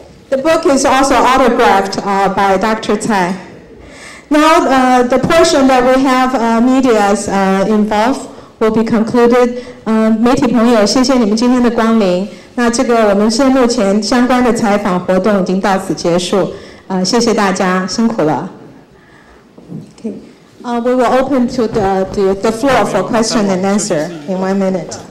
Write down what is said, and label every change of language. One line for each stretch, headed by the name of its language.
English: The book is also autographed by Dr. Tsai. Now, the portion that we have media's involved will be concluded.
Chinese: 媒体朋友，谢谢你们今天的光临。那这个我们是目前相关的采访活动已经到此结束。谢谢大家，辛苦了。Okay.
English: We will open to the floor for question and answer in 1 minute.